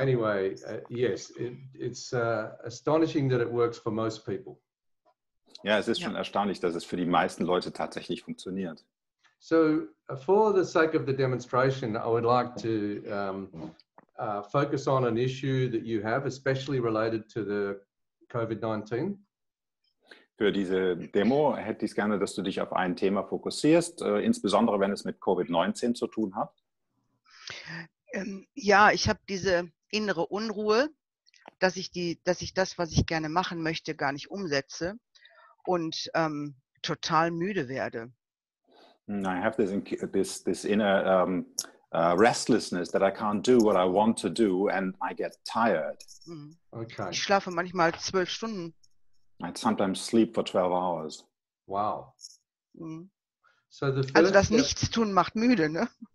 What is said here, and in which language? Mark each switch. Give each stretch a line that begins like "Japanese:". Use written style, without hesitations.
English: Anyway, yes, it's astonishing that it works for most people.
German: Ja, es ist schon erstaunlich, dass es für die meisten Leute tatsächlich funktioniert.
English: So, for the sake of the demonstration, I would like to focus on an issue that you have, especially related to the COVID-19.
German: Für diese Demo hätte ich gerne, dass du dich auf ein Thema fokussierst, insbesondere wenn es mit COVID-19 zu tun hat. Ja, ich habe diese innere Unruhe, dass ich das, was ich gerne machen möchte, gar nicht umsetze und total müde werde.
English: I have this inner restlessness that I can't do what I want to do and I get tired.
German: Okay. Ich schlafe manchmal 12 Stunden.
English: I sometimes sleep for 12 hours. Wow. So the first,
German: also das Nichtstun macht müde, ne?